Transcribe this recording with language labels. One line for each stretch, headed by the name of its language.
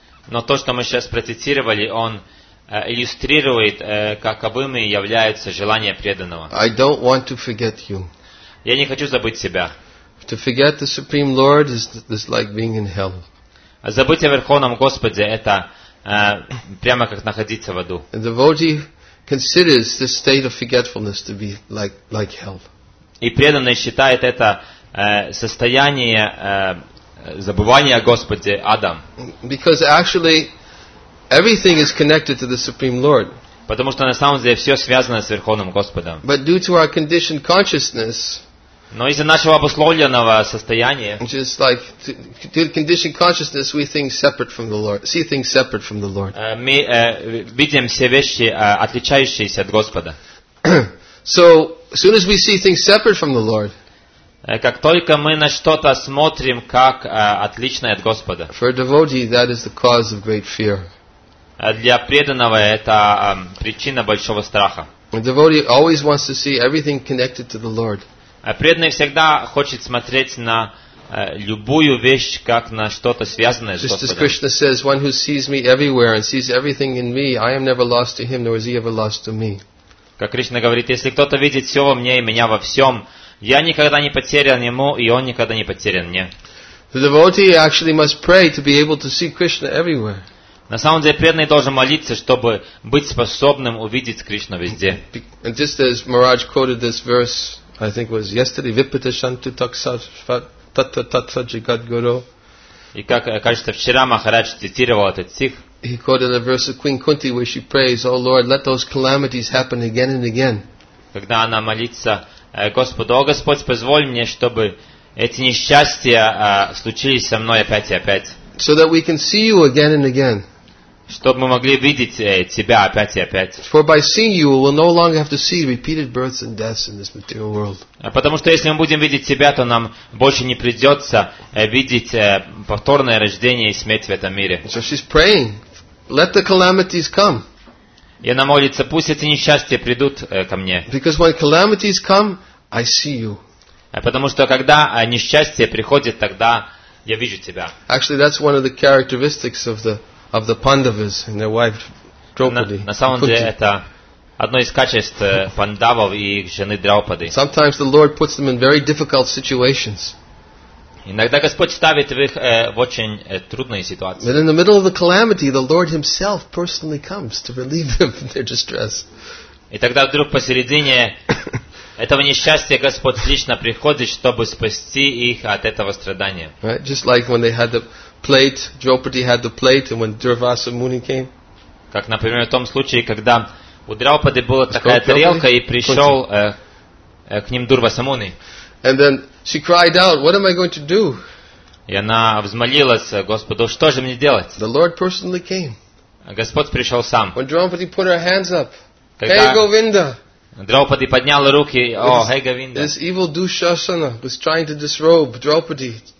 Russian: Но то, что мы сейчас процитировали, он иллюстрирует, каковыми являются желания преданного.
English: I don't want to forget you.
Russian: Я не хочу забыть себя.
English: To forget the Supreme Lord is like being in hell.
Russian: Забыть о Верховном Господе – это прямо как находиться в аду.
English: The devotee considers this state of forgetfulness to be like hell.
Russian: И преданный считает это состояние забывания о Господе адом.
English: Because actually, everything is connected to the Supreme Lord.
Russian: Потому что на самом деле все связано с Верховным Господом.
English: But due to our conditioned consciousness.
Russian: Но из-за нашего обусловленного состояния,
English: just like to condition consciousness, we think separate from the Lord, see things separate from the Lord.
Russian: Мы видим все вещи, отличающиеся от Господа.
English: So as soon as we see things separate from the Lord,
Russian: как только мы на что-то смотрим как отличное от Господа,
English: for a devotee that is the cause of great fear.
Russian: Для преданного это причина большого страха.
English: A devotee always wants to see everything connected to the Lord.
Russian: Преданный всегда хочет смотреть на любую вещь, как на что-то связанное с Господом.
English: Just as Krishna says, one who sees me everywhere and sees everything in me, I am never lost to him, nor is he ever lost to me.
Russian: Как Кришна говорит, если кто-то видит все во мне и меня во всем, я никогда не потерян ему, и он никогда не потерян мне.
English: The devotee actually must pray to be able to see Krishna everywhere.
Russian: На самом деле преданный должен молиться, чтобы быть способным увидеть Кришну везде.
English: And just as Maharaj quoted this verse, I think it was yesterday,
Sanskrit: Vipita Shantu Tatva Tatva Jagad Guru.
Russian: И как, кажется, вчера Махарадж цитировал этот стих.
English: He quoted a verse of Queen Kunti where she prays, O Lord, let those calamities happen again and again.
Russian: Когда она молится Господу, о Господь, позволь мне, чтобы эти несчастья случились со мной опять и опять.
English: So that we can see you again and again.
Russian: чтобы мы могли видеть тебя опять и опять.
English: For by seeing you, we will no longer have to see repeated births and deaths in this material world.
Russian: Потому что если мы будем видеть тебя, то нам больше не придется видеть повторное рождение и смерть в этом мире.
English: So she's praying, let the calamities come.
Russian: И она молится, пусть эти несчастья придут ко мне.
English: Because when calamities come, I see you.
Russian: Потому что когда несчастье приходит, тогда я вижу тебя.
English: Actually, that's one of the characteristics of the Pandavas and their wife Draupadi.
Russian: На самом деле это одно из качеств пандавов и их жены Драупады.
English: Sometimes the Lord puts them in very difficult situations.
Russian: Иногда Господь ставит их в очень трудные ситуации.
English: But in the middle of the calamity, the Lord Himself personally comes to relieve them from their distress.
Russian: И тогда вдруг посередине этого несчастья Господь лично приходит, чтобы спасти их от этого страдания.
English: Right? Just like when they had the plate, Draupadi had the plate, and when Durvasa Muni came.
Russian: Как, например, в том случае, когда у Драупады была такая тарелка, и пришел к ним Дурваса Муни.
English: And then she cried out, "What am I going to do?"
Russian: И она взмолилась Господу, "Что же мне делать?"
English: The Lord personally came.
Russian: Господь пришел сам.
English: When Draupadi put her hands up, "Hey Govinda!"
Russian: Драупади подняла руки, "О, hey Govinda!"
English: This evil Dushasana was trying to disrobe Draupadi.